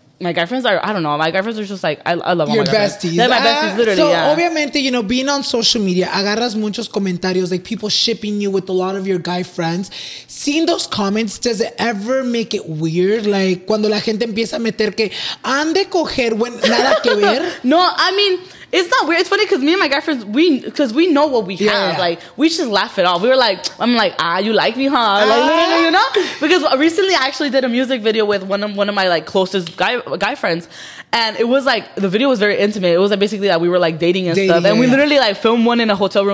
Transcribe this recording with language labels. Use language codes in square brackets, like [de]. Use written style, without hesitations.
[en] My guy friends are, I don't know, my guy friends are just like, I love your all my besties. They're my besties, literally. So, yeah. Obviamente, you know, being on social media, [es] agarras muchos comentarios, [en] like people shipping you with a lot of your guy friends. Seeing those comments, does it ever make it weird? [es] Like, cuando la gente empieza a meter que han de coger, nada que ver. [en] No, I mean, It's not weird. It's funny because me and my guy friends, because we know what we have. Yeah, yeah. Like, we just laugh it off. We were like, I'm like, ah, you like me, huh? Like, you know? Because recently I actually did a music video with one of my, like, closest guy friends. And it was like, the video was very intimate. It was like basically that, like, we were like dating stuff. Yeah, and we literally like filmed one in a hotel room.